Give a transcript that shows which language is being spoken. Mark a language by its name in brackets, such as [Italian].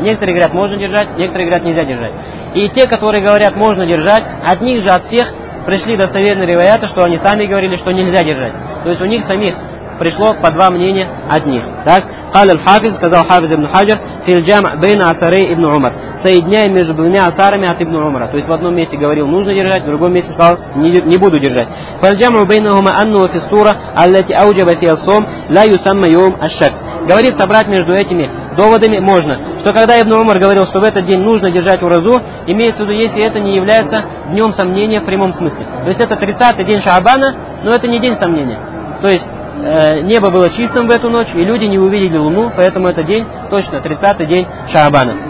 [Russian] Некоторые говорят, можно держать, некоторые говорят, нельзя держать. И те, которые говорят, можно держать, от них же, от всех, пришли достоверные риваяты, что они сами говорили, что нельзя держать. То есть у них самих пришло по два мнения от них. Так, [Arabic] قال الحافظ, [Russian] сказал Хафиз ибн Хаджар, [Arabic] في الجامع بين أثري ابن عمر, [Russian] соединяя между двумя асарами от ибн Умара. То есть в одном месте говорил, нужно держать, в другом месте сказал, не буду держать. [Arabic] فالجامع بينهما أنه في السورة التي أوجب فيها الصوم لا يسمى يوم الشك. [Russian] Говорит, собрать между этими доводами можно, что когда ибн Умар говорил, что в этот день нужно держать уразу, имеется в виду, если это не является днем сомнения в прямом смысле. То есть это 30-й день Шаабана, но это не день сомнения. То есть небо было чистым в эту ночь, и люди не увидели луну, поэтому это день, точно, 30-й день Шаабана.